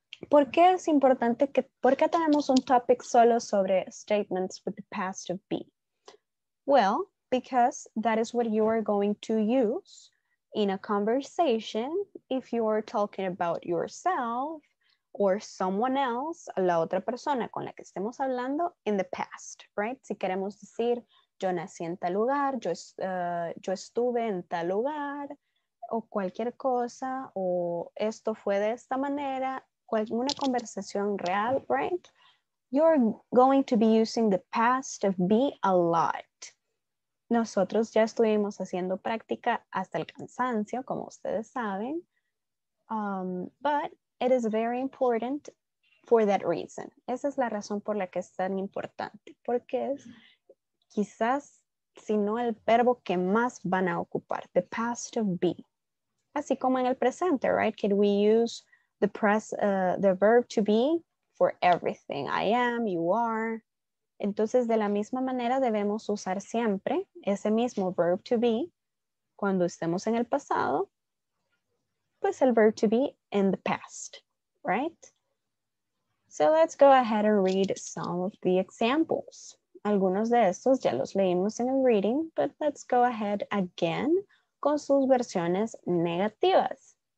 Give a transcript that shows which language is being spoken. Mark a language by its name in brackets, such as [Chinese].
[Spanish] ¿Por qué es importante que, por qué tenemos un topic solo sobre [English] statements with the past of be? Well, because that is what you are going to use in a conversation if you are talking about yourself or someone else, [Spanish] a la otra persona con la que estemos hablando [English] in the past, right? [Spanish] Si queremos decir, yo nací en tal lugar, yo estuve en tal lugar, o cualquier cosa, o esto fue de esta manera, una conversación real, right? [English] You're going to be using the past of be a lot. [Spanish] Nosotros ya estuvimos haciendo práctica hasta el cansancio, como ustedes saben, [English] but it is very important for that reason. [Spanish] Esa es la razón por la que es tan importante. Porque es quizás, si no el verbo que más van a ocupar, [English] the past of be. [Spanish] Así como en el presente, right? [English] Can we use the verb to be for everything? I am, you are. [Spanish] Entonces, de la misma manera, debemos usar siempre ese mismo verb to be cuando estemos en el pasado. [English] Pues el verb to be in the past, right? So let's go ahead and read some of the examples. [Spanish] Algunos de estos ya los leímos en el reading, [English] but let's go ahead again [Spanish] con sus versiones negativas.